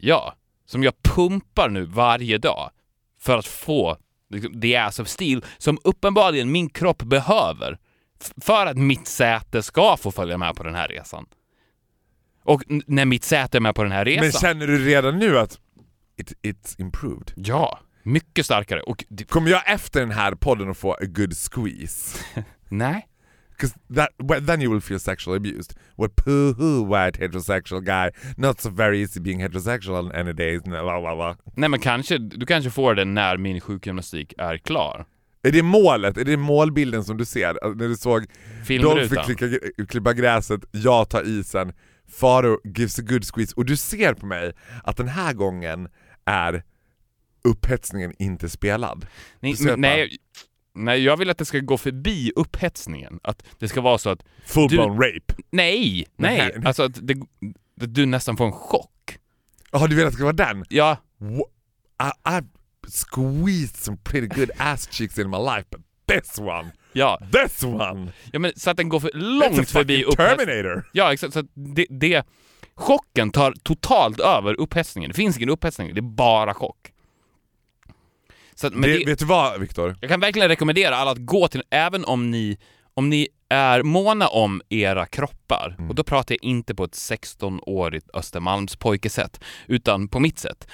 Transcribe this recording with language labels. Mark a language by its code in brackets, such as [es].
[sv] Ja, som jag pumpar nu varje dag för att få liksom [en] the ass of steel [sv] som uppenbarligen min kropp behöver för att mitt säte ska få följa med på den här resan. Och när mitt säte är med på den här resan. Men känner du redan nu att [en] it's improved? [sv] Ja, mycket starkare. Och kommer jag efter den här podden att få [en] a good squeeze? [sv] Nej. [en] Because that, well, then you will feel sexually abused. What poo-hoo, white heterosexual guy. Not so very easy being heterosexual on any days. [sv] Nej, men kanske, du kanske får den när min sjukgymnastik är klar. Är det målet? Är det målbilden som du ser? När du såg Dolph klippa gräset, jag tar isen, Faro [en] gives a good squeeze. [sv] Och du ser på mig att den här gången är upphetsningen inte spelad. Nej, jag vill att det ska gå förbi upphetsningen. Att det ska vara så att... [en] Full blown rape? [sv] Nej. Alltså att det, du nästan får en chock. Ja, du vill att det ska vara den? Ja. [en] I've squeezed some pretty good ass cheeks in my life, but this one! [sv] Ja. [en] This one! [sv] Ja, men så att den går för långt förbi upphetsningen. [en] Terminator! [sv] Ja, exakt. Så att det chocken tar totalt över upphetsningen. Det finns ingen upphetsning, det är bara chock. Vet du vad, Viktor? Jag kan verkligen rekommendera alla att gå till, även om ni är måna om era kroppar, och då pratar jag inte på ett 16-årigt Östermalmspojkesätt, utan på mitt sätt.